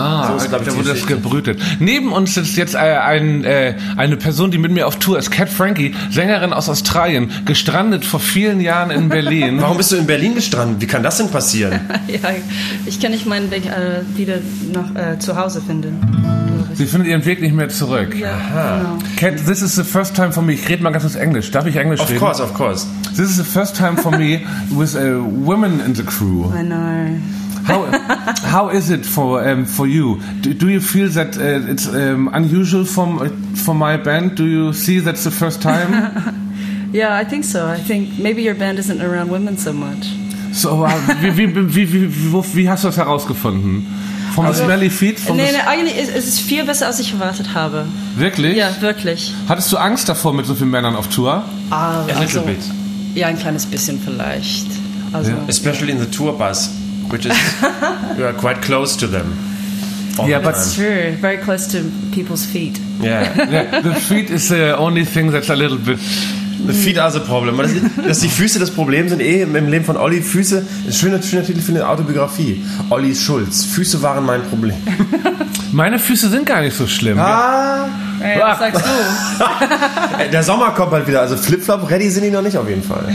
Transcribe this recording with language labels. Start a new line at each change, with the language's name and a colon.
German: Ah, so ist, ich, da wurde das gebrütet. Neben uns sitzt jetzt eine Person, die mit mir auf Tour ist. Cat Frankie, Sängerin aus Australien, gestrandet vor vielen Jahren in Berlin. Warum bist du in Berlin gestrandet? Wie kann das denn passieren? Ja, ich kann nicht meinen Weg wieder nach zu Hause finden. Sie findet ihren Weg nicht mehr zurück. Ja, genau.
English: Cat, this is the first time for me.
German: Ich rede mal ganz kurz Englisch. Darf ich Englisch
English: of
German: reden?
English: Of course, of course. This is the first time for me with a woman in the crew. I know. How is it for you? Do you feel that it's unusual for my band? Do you see that's the first time? Yeah, I think so. I think maybe your band isn't around women so much.
German: So, wie hast du das herausgefunden? Vom also, Smelly Feet? Nein, eigentlich ist es viel besser, als ich erwartet habe. Wirklich? Ja, wirklich. Hattest du Angst davor mit so vielen Männern auf Tour? Also, ja, ein kleines bisschen vielleicht. Also, yeah.
English: Especially in the tour bus, which is you are quite close to them. Yeah, but it's true. Very close to people's feet. Yeah. The feet is the only thing that's a little bit... The feet are the problem.
German: Dass die Füße das Problem sind, im Leben von Olli. Füße, ein schöner Titel für eine Autobiografie. Olli Schulz. Füße waren mein Problem. Meine Füße sind gar nicht so schlimm. Ey, was sagst du? Der Sommer kommt bald wieder. Also Flipflop ready sind die noch nicht auf jeden Fall.